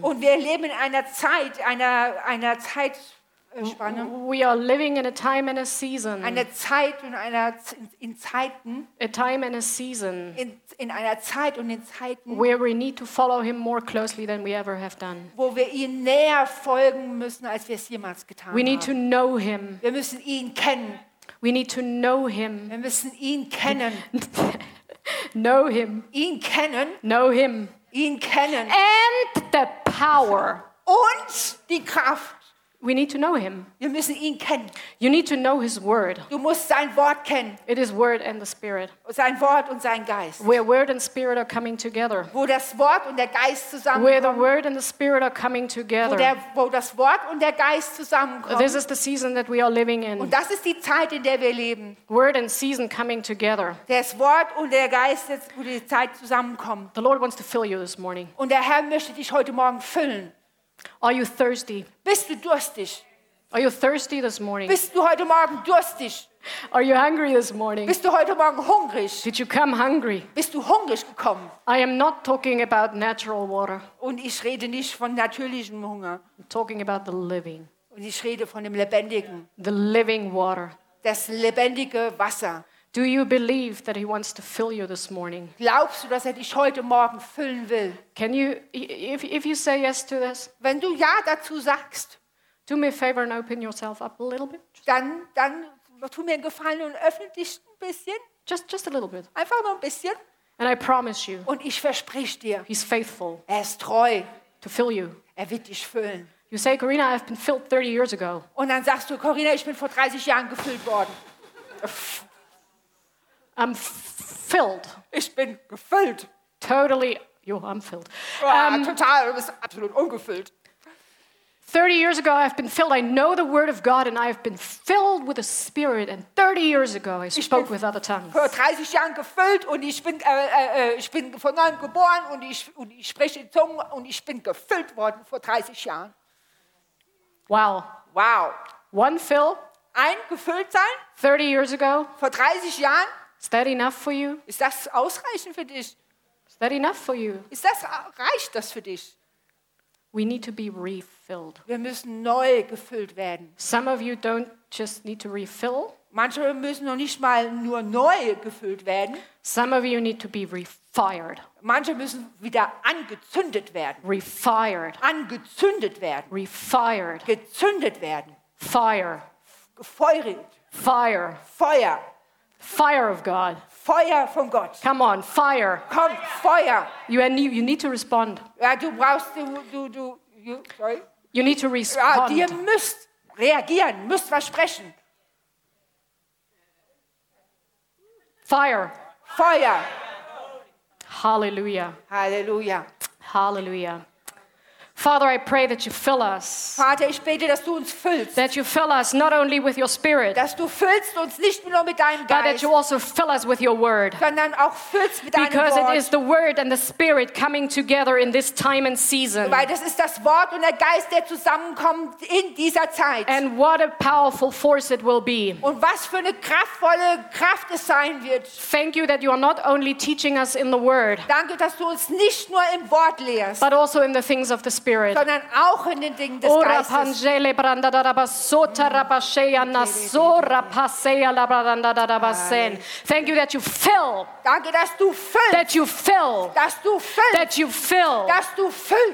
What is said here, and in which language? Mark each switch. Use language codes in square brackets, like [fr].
[de] Und wir leben in einer Zeitspanne. [en] We are living in a time and a season. [de] Eine Zeit und einer in Zeiten. [en] A time and a season. [de] In einer Zeit und in Zeiten. [en] Where we need to follow him more closely than we ever have done. [de] Wo wir ihn näher folgen müssen, als wir es jemals getan haben. [en] We need to know him. [de] Wir müssen ihn kennen. [en] We need to know him. [de] Wir müssen ihn kennen. [en] Know him. [de] Ihn kennen. [en] Know him. [de] Ihn kennen. [en] And the power. [de] Und die Kraft. [en] We need to know him. [de] Wir müssen ihn kennen. [en] You need to know his word. [de] Du musst sein Wort kennen. [en] It is word and the spirit. [de] Sein Wort und sein Geist. [en] Where word and spirit are coming together. [de] Wo das Wort und der Geist zusammenkommen. [en] Where the word and the spirit are coming together. [de] Wo das Wort und der Geist zusammenkommen. [en] This is the season that we are living in. [de] Und das ist die Zeit, in der wir leben. [en] Word and season coming together. [de] Das Wort und der Geist jetzt wo die Zeit zusammenkommen. [en] The Lord wants to fill you this morning. [de] Und der Herr möchte dich heute Morgen füllen. [en] Are you thirsty? [de] Bist du durstig? [en] Are you thirsty this morning? [de] Bist du heute Morgen durstig? [en] Are you hungry this morning? [de] Bist du heute Morgen hungrig? [en] Did you come hungry? [de] Bist du hungrig gekommen? [en] I am not talking about natural water. [de] Und ich rede nicht von natürlichem Hunger. [en] I'm talking about the living. [de] Und ich rede von dem Lebendigen. [en] The living water. [de] Das lebendige Wasser. [en] Do you believe that he wants to fill you this morning? [de] Glaubst du, dass er dich heute Morgen füllen will? [en] Can you, if you say yes to this? [de] Wenn du ja dazu sagst, [en] do me a favor and open yourself up a little bit. [de] Dann tu mir einen Gefallen und öffne dich ein bisschen. [en] Just a little bit. [de] Einfach nur ein bisschen. [en] And I promise you. [de] Und ich versprich dir. [en] He's faithful. [de] Er ist treu. [en] To fill you. [de] Er wird dich füllen. [en] You say, Corina, I've been filled 30 years ago. [de] Und dann sagst du, Corina, ich bin vor 30 Jahren gefüllt worden. [en] I'm filled. [de] Ich bin gefüllt. [en] Totally, you're unfilled. [de] Total, du bist absolut ungefüllt. [en] 30 years ago I've been filled. I know the word of God and I've been filled with the Spirit. And 30 years ago I spoke with other tongues. [de] Ich bin vor 30 Jahren gefüllt und ich bin von neuem geboren und ich spreche in Zungen und ich bin gefüllt worden vor 30 Jahren. Wow. Wow. [en] One fill. [de] Ein gefüllt sein. [en] 30 years ago. [de] Vor 30 Jahren. [en] Is that enough for you? [de] Ist das ausreichend für dich? [en] Is that enough for you? [de] Ist das reicht das für dich? [en] We need to be refilled. [de] Wir müssen neu gefüllt werden. [en] Some of you don't just need to refill. [de] Manche müssen noch nicht mal nur neu gefüllt werden. [en] Some of you need to be refired. [de] Manche müssen wieder angezündet werden. [en] Refired. [de] Angezündet werden. [en] Refired. [de] Gezündet werden. [en] Fire. [de] Feurig. [en] Fire. [de] Feuer. [en] Fire of God. [de] Feuer von Gott. [en] Come on, fire. [de] Komm, Feuer. [en] You need to respond. [de] Ja, du brauchst, sorry. [en] You need to respond. [de] Ja, ihr müsst reagieren, müsst versprechen. [en] Fire. [de] Feuer. Hallelujah. Hallelujah. [en] Hallelujah. Father, I pray that you fill us. [de] Vater, ich bete, dass du uns füllst. [en] That you fill us not only with your Spirit. [de] Dass du füllst uns nicht nur mit deinem Geist. [en] But that you also fill us with your Word. [de] Sondern auch füllst mit deinem Wort. [en] Because it is the Word and the Spirit coming together in this time and season. [de] Weil das ist das Wort und der Geist, der zusammenkommt in dieser Zeit. [en] And what a powerful force it will be. [de] Und was für eine kraftvolle Kraft es sein wird. [en] Thank you that you are not only teaching us in the Word. [de] Danke, dass du uns nicht nur im Wort lehrst. [en] But also in the things of the Spirit. [de] Sondern auch in den Dingen des Geistes. Ora pangele branda da rabasota rabasheya nasora pasea la branda da rabasen. [en] Thank you that you fill. [de] Danke, dass du füllst. [en] That you fill. [de] Dass du füllst. [en] That you fill. [de] Dass du füllst.